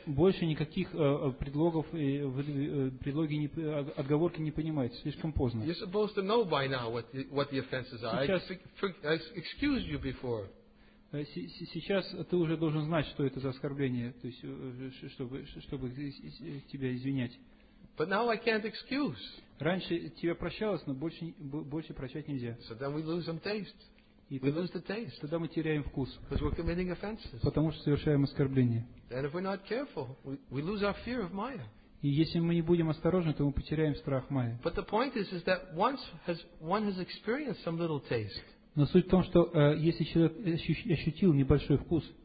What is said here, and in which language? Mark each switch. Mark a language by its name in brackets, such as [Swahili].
[Russian] Больше никаких предлогов, предлоги, отговорки не понимаете. Слишком поздно. [English] You're supposed to know by now what the offenses are. I excused you before. [Russian] Сейчас ты уже должен знать, что это за оскорбление, то есть чтобы тебя извинять. [English] But now I can't excuse. [Russian] Раньше тебя прощалось, но больше прощать нельзя. [English] So then we lose some taste. We lose the taste. [Russian] Тогда мы теряем вкус. [English] Because we're committing offenses. [Russian] Потому что совершаем оскорбление. [English] And if we're not careful, we lose our fear of Maya. [Russian] И если мы не будем осторожны, то мы потеряем страх Майя. [English] But the point is that once one has experienced some little taste. [Russian] Но суть в том, что если человек ощутил небольшой вкус,